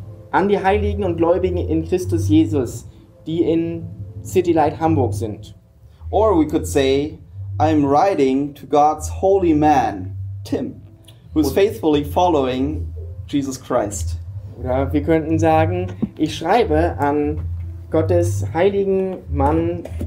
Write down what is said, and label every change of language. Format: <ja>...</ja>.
<de>An die Heiligen und Gläubigen in Christus Jesus, die in CityLight Hamburg sind.</de> <en>Or we could say, I'm writing to God's holy man, Tim, who's faithfully following Jesus Christ.</en> <de>Oder wir könnten sagen, ich schreibe an Gottes heiligen Mann,</de>